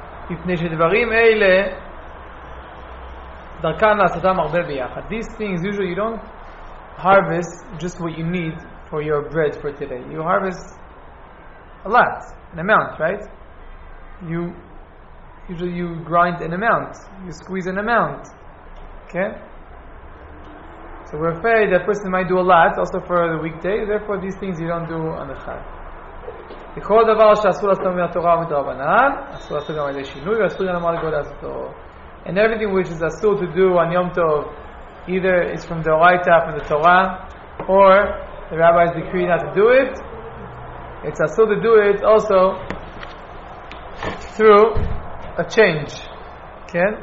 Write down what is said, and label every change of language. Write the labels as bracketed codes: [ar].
[he] מפני שדברים אלה דרכן לעשותם הרבה ביחד. [en] These things usually you don't harvest just what you need for your bread for today. You harvest a lot, an amount, right? You usually grind an amount, you squeeze an amount. Okay? So we're afraid that person might do a lot also for the weekday, therefore these things you don't do on the Chag. [he] בכל דבר שאסור לעשות מהתורה ומדרבנן, אסור לעשות גם איזה שינוי, ואסור גם לומר לגבי לעשותו. [en] And everything which is אסור to do on Yom Tov, either it's from the Oraita, from the Torah, or the rabbis decree not to do it. It's asur to do it also through a change. Okay?